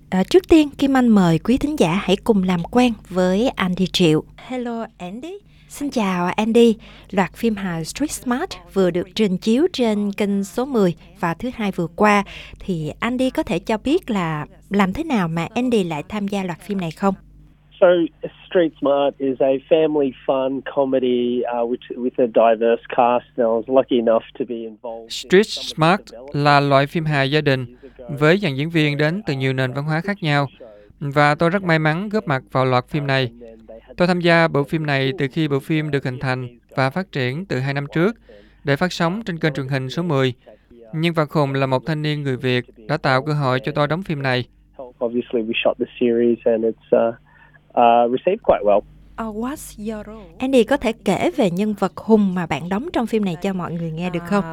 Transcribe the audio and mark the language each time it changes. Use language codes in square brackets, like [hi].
[vi] Trước tiên, Kim Anh mời quý thính giả hãy cùng làm quen với Andy Triệu. [en] Hello Andy. [vi] Xin chào Andy. Loạt phim hài Street Smart vừa được trình chiếu trên kênh số 10 vào thứ Hai vừa qua. Thì Andy có thể cho biết là làm thế nào mà Andy lại tham gia loạt phim này không? [en] So Street Smart is a family fun comedy with a diverse cast. I was lucky enough to be involved. [vi] Street Smart là loại phim hài gia đình với dàn diễn viên đến từ nhiều nền văn hóa khác nhau, và tôi rất may mắn góp mặt vào loạt phim này. Tôi tham gia bộ phim này từ khi bộ phim được hình thành và phát triển từ 2 năm trước để phát sóng trên kênh truyền hình số 10. Nhưng Văn Khùng là một thanh niên người Việt đã tạo cơ hội cho tôi đóng phim này. [en] Obviously we shot the series and it's received quite well. What's your role? [vi] Andy, có thể kể về nhân vật Hùng mà bạn đóng trong phim này cho mọi người nghe được không?